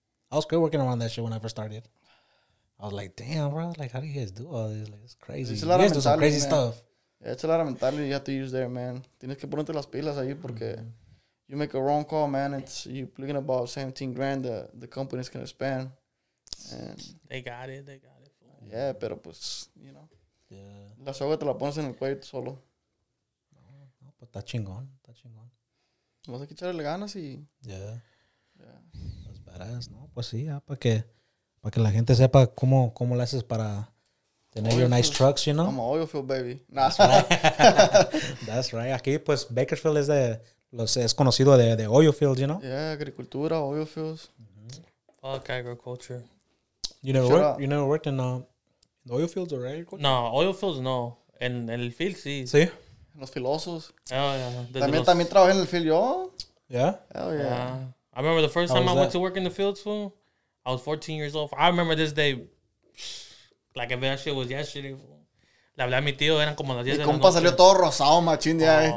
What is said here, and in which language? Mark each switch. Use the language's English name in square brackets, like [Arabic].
[English] I was scared working around that shit when I first started. I was like, damn, bro. Like, how do you guys do all this? Like, it's crazy. It's a lot you guys of mentality, do some crazy man. Stuff. Yeah, it's a lot of mentality you have to use there, man. [Spanish] Tienes que ponerte las pilas ahí porque [English] you make a wrong call, man. It's you're looking about 17 grand that the company's going to spend. And They got it. Yeah, [Spanish] pero pues, [English] you know. Yeah. [Spanish] La soga te la pones en el cuello solo. No, pues está chingón. Está chingón. Vas a echarle ganas y... Yeah. Las varas, ¿no? Pues sí, ya, para que... Para que la gente sepa cómo lo haces para tener [English] your nice trucks, you know? I'm an oil field baby. That's right. That's right. [Spanish] Aquí, pues, Bakersfield es conocido de oil fields, [English] you know? Yeah, agricultura, oil fields. Mm-hmm. Fuck agriculture. You never worked in oil fields or agriculture? [Spanish] No, oil fields no. En el field, sí. Sí? Los filosos. [English] Oh, yeah. [Spanish] También trabajé en el field, yo. [English] Yeah? Oh, yeah. I remember the first time I went to work in the fields, fool. I was 14 years old. I remember this day, like if that shit was yesterday. [Spanish] Le hablé a mi tío, eran como las 10 de la noche. Mi compa salió todo rosado, machín, de ahí.